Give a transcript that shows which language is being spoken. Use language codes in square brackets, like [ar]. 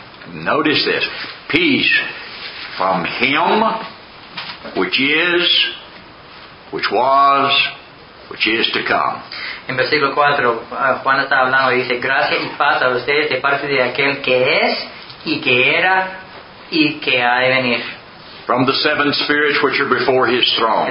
[en] Notice this. Peace from him which is, which was, which is to come. [es] En versículo 4, Juan está hablando y dice, gracia y paz a ustedes de parte de aquel que es, y que era, y que ha de venir. [en] From the seven spirits which are before his throne.